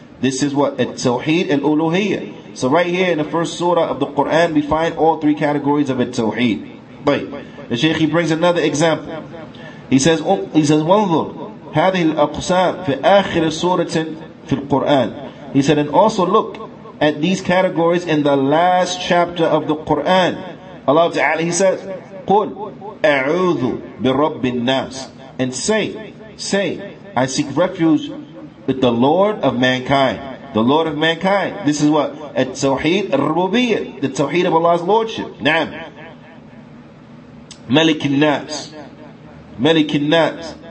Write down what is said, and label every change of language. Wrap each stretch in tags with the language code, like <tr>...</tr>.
<en>This is what? Tawheed al-uluhiyya. So right here in the first surah of the Qur'an, we find all three categories of التوحيد. طيب. The Shaykh, he brings another example. He says,</en> <ar>وَانْظُرْ هَذِهِ الْأَقْسَامِ فِي آخِرِ سُورَةٍ في القرآن.</ar> <en>He said, and also look at these categories in the last chapter of the Quran. Allah Ta'ala, He says,</en> <ar>قل أعوذ برب الناس.</ar> <en>And say, I seek refuge with the Lord of mankind. The Lord of mankind. This is what? التوحيد الربوبية. The Tawheed of Allah's Lordship.</en> <ar>نعم. ملك الناس. ملك الناس.</ar>